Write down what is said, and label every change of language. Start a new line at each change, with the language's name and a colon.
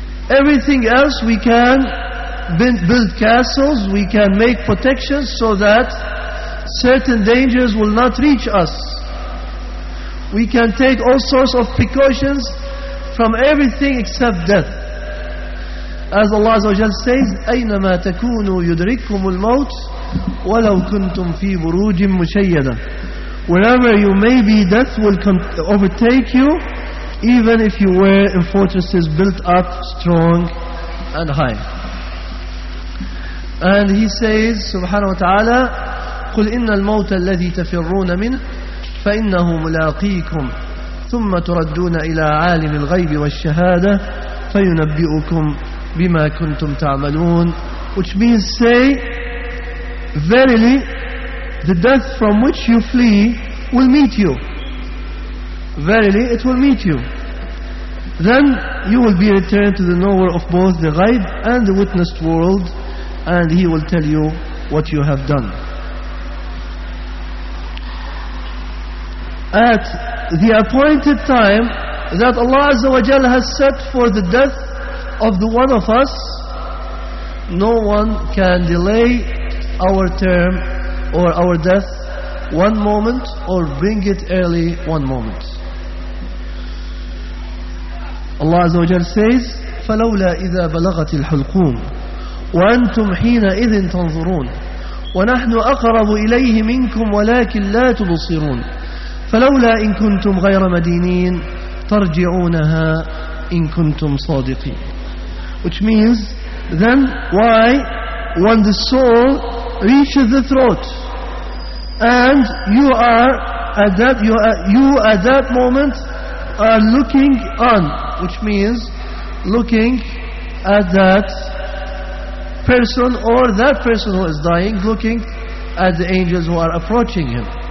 English: Everything else we can build castles, we can make protections so that certain dangers will not reach us. We can take all sorts of precautions from everything except death. As Allah Azza wa Jalla says,
Arabic: أَيْنَمَا تَكُونُوا يُدْرِكُمُ الْمَوْتِ وَلَوْ كُنْتُمْ فِي بُرُوجٍ مُشَيَّدًا.
English: Wherever you may be, death will overtake you, even if you were in fortresses built up strong and high. And he says, subhanahu wa ta'ala,
Arabic: قُلْ إِنَّ الْمَوْتَ الَّذِي تَفِرُّونَ مِنْهُ فَإِنَّهُ مُلَاقِيكُمْ ثُمَّ تُرَدُّونَ إِلَىٰ عَالِمِ الْغَيْبِ وَالشَّهَادَةِ فَيُنَبِّئُكُمْ بِمَا كُنْتُمْ تَعْمَلُونَ.
English: Which means, say, verily, the death from which you flee will meet you. Verily, it will meet you. Then you will be returned to the knower of both the ghaib and the witnessed world, and he will tell you what you have done. At the appointed time that Allah Azza wa Jalla has set for the death of the one of us, no one can delay our term or our death one moment or bring it early one moment. Allah Azza wa Jalla says,
Arabic: فَلَوْلَا إِذَا بَلَغَتِ الْحُلْقُومِ وَأَنْتُمْ حِينَ إِذٍ تَنْظُرُونَ وَنَحْنُ أَقْرَبُ إِلَيْهِ مِنْكُمْ وَلَكِنْ لَا تُبُصِرُونَ فلولا إن كنتم غير مدينين ترجعونها إن كنتم صادقين.
English: Which means, then why, when the soul reaches the throat and you at that moment are looking on, which means looking at that person or that person who is dying, looking at the angels who are approaching him.